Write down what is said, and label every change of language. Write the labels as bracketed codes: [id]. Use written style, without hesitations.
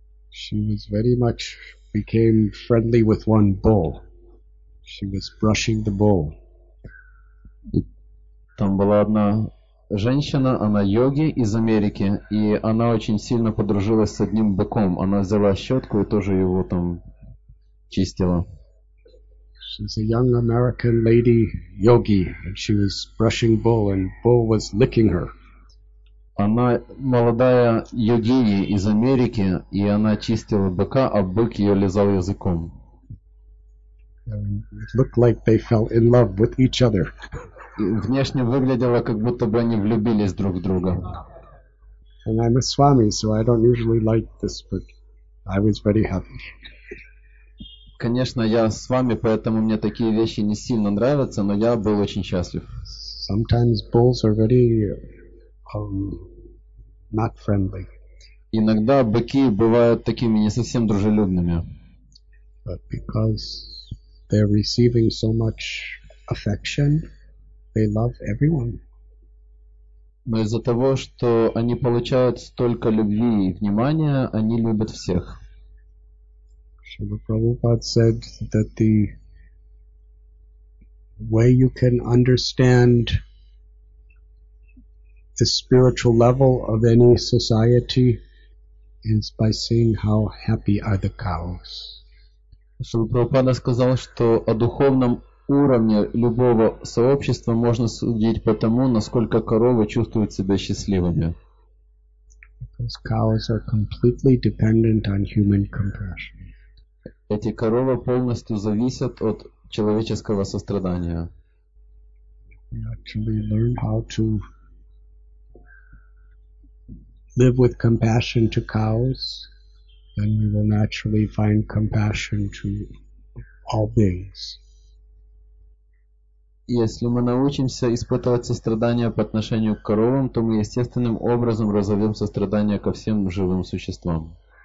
[en] She was very much became friendly with one bull. She was brushing the bull. [ru] Там была одна женщина, она йоги из Америки, и она очень сильно подружилась с одним быком. Она взяла щетку и тоже его там чистила. [en] There's a young American lady yogi, and she was brushing Bull, and Bull was licking her. [ru] Она молодая йогиня из Америки, и она чистила быка, а бык ее лизал языком. [en] It looked like they fell in love with each other. [ru] Внешне выглядело, как будто бы они влюбились друг в друга. [en] And I'm a swami, so I don't usually like this, but I was very happy. [ru] Конечно, я с вами, поэтому мне такие вещи не сильно нравятся, но я был очень счастлив. [en] Sometimes bulls are very not friendly. [ru] Иногда быки бывают такими не совсем дружелюбными. [en] But because they're receiving so much affection, they love everyone. [ru] Но из-за того, что они получают столько любви и внимания, они любят всех. [en] Шрила Прабхупада said that the way you can understand the spiritual level of any society is by seeing how happy are the cows. [ru] Шрила Прабхупада сказал, что о духовном уровне любого сообщества можно судить по тому, насколько коровы чувствуют себя счастливыми. [en] Because cows are completely dependent on human compassion. [ru] Эти коровы полностью зависят от человеческого сострадания. [en] We actually learn how to live with compassion to cows, then we will naturally find compassion to all beings. [ru] Если мы научимся испытывать сострадание по отношению к коровам, то мы естественным образом разовьем сострадание ко всем живым существам.